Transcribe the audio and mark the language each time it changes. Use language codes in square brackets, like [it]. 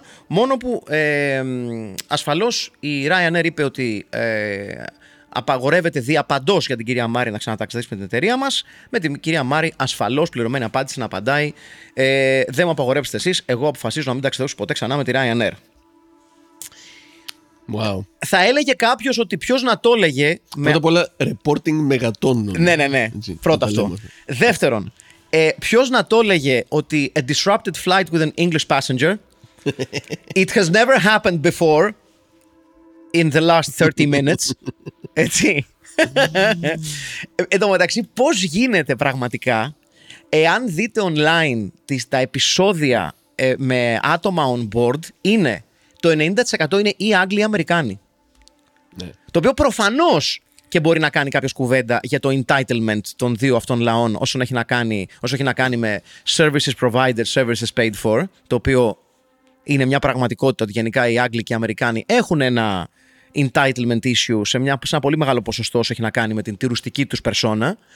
[el] Μόνο που ασφαλώς η Ryanair είπε ότι απαγορεύεται διαπαντός για την κυρία Μάρη να ξαναταξιδέψει με την εταιρεία μας. Με την κυρία Μάρη ασφαλώς πληρωμένη απάντηση να απαντάει δεν μου απαγορεύσετε εσείς, εγώ αποφασίζω να μην ταξιδέψω ποτέ ξανά με τη Ryanair. [en] Wow. [el] Θα έλεγε κάποιος ότι ποιος να το έλεγε. Πρώτα απ' όλα, reporting μεγατόνων. Ναι. Πρώτα αυτό. Δεύτερον, ποιος να το έλεγε ότι [en] a disrupted flight with an English passenger. It has never happened before in the last 30 minutes. [el] Έτσι. Εν τω μεταξύ, πώς γίνεται πραγματικά, εάν δείτε online τα επεισόδια με άτομα on board, είναι. Το 90% είναι ή Άγγλοι ή Αμερικάνοι. Ναι. Το οποίο προφανώς και μπορεί να κάνει κάποιος κουβέντα για το entitlement των δύο αυτών λαών όσον έχει να κάνει, με [en] services provided, services paid for, [el] το οποίο είναι μια πραγματικότητα ότι γενικά οι Άγγλοι και οι Αμερικάνοι έχουν ένα [en] entitlement issue [el] σε ένα πολύ μεγάλο ποσοστό όσο έχει να κάνει με την τουριστική τους persona.